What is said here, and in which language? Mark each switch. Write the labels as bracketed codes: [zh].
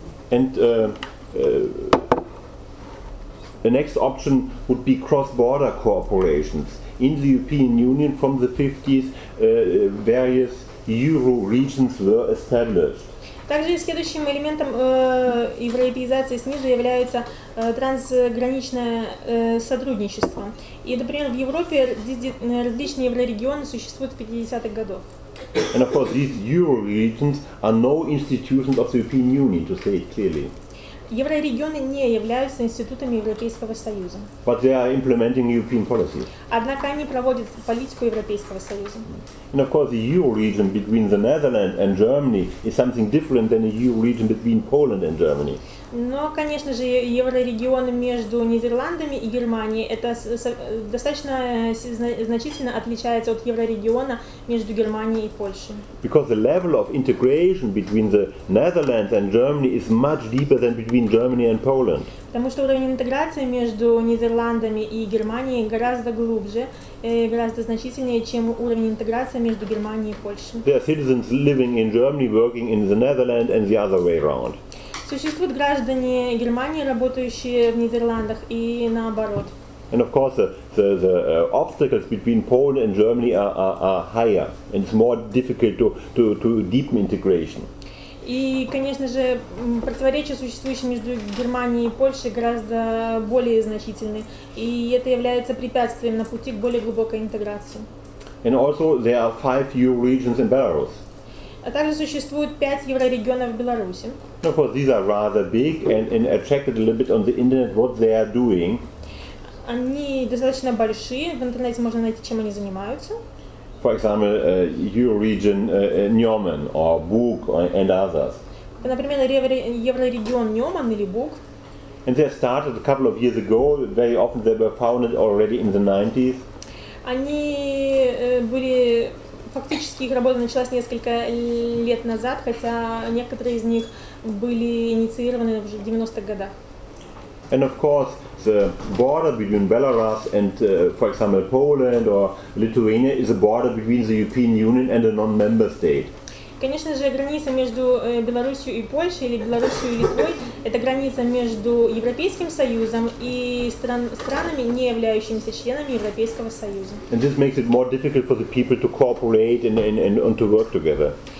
[en] And the next option would be cross-border corporations. In the European Union from the 50s, various euro regions were established. [ru] Также следующим элементом европеизации снизу является трансграничное сотрудничество. И, например, в Европе различные еврорегионы существуют в 50-х годах. [en] And of course, these euro regions are no institutions of the European Union, to say it clearly. [ru] Еврорегионы не являются институтами Европейского Союза. [en] But they are implementing European policy. [ru] Однако они проводят политику Европейского Союза. [en] And of course, the euro region between the Netherlands and Germany is something different than the euro region between Poland and Germany. [ru] Но, конечно же, еврорегион между Нидерландами и Германией это достаточно значительно отличается от еврорегиона между Германией и Польшей. [en] Because the level of integration between the Netherlands and Germany is much deeper than between Germany and Poland. [ru] Потому что уровень интеграции между Нидерландами и Германией гораздо глубже, гораздо значительнее, чем уровень интеграции между Германией и Польшей. [en] There are citizens living in Germany, working in the Netherlands, and the other way around. [ru] Существуют граждане Германии, работающие в Нидерландах, и наоборот. [en] And of course, the obstacles between Poland and Germany are higher, and it's more difficult to deepen integration. [ru] И, конечно же, противоречия, существующие между Германией и Польшей, гораздо более значительны, и это является препятствием на пути к более глубокой интеграции. [en] And also, there are 5 EU regions in Belarus. [ru] А также существует 5 еврорегионов в Беларуси. [en] Of course, these are rather big and attracted a little bit on the internet what they are doing. [ru] Они достаточно большие, в интернете можно найти, чем они занимаются. [en] for example, Euroregion Neumann or Bug and others. [ru] Например, Еврорегион Неумен или Бук. [en] And they started a couple of years ago. Very often they were founded already in the 90s. [ru] Они были фактически их работа началась несколько лет назад, хотя некоторые из них были инициированы в 90-х годах. [en] And of course, the border between Belarus and, for example, Poland or Lithuania is a border between the European Union and a non-member state. [ru] Конечно же, граница между Белоруссией и Польшей или Белоруссией и Литвой – это граница между Европейским Союзом и странами, не являющимися членами Европейского Союза. [en] And this makes it more difficult for the people to cooperate and to work together.